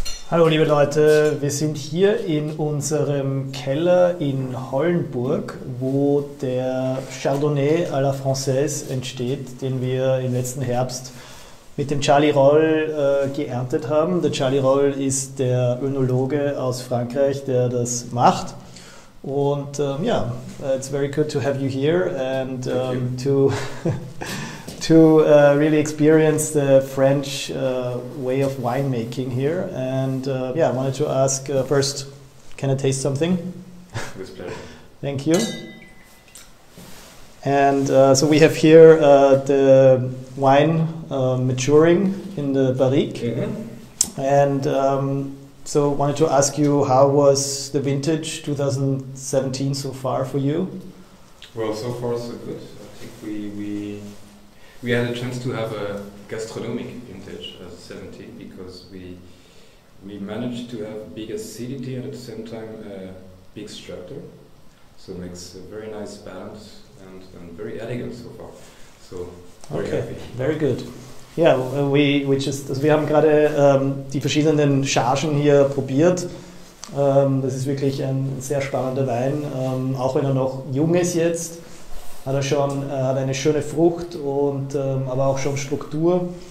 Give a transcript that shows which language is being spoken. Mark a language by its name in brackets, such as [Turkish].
[German] Hallo liebe Leute, wir sind hier in unserem Keller in Hollenburg, wo der Chardonnay à la Française entsteht, den wir im letzten Herbst mit dem Charlie Roll geerntet haben. Der Charlie Roll ist der Önologe aus Frankreich, der das macht. [English] Und ja, it's very good to have you here and to really experience the French way of winemaking here. And yeah, I wanted to ask first, can I taste something? With pleasure. Thank you. And so we have here the wine maturing in the barrique. Mm-hmm. And so I wanted to ask you, how was the vintage 2017 so far for you? Well, so far so good. I think we had a chance to have a gastronomic vintage as 70 because we managed to have big acidity and at the same time a big structure, so it makes a very nice balance and very elegant so far. So very okay, happy. Very good. [German] Yeah, wir haben gerade die verschiedenen Chargen hier probiert. Das ist wirklich ein sehr spannender Wein, auch wenn er noch jung ist jetzt. Hat eine schöne Frucht und aber auch schon Struktur.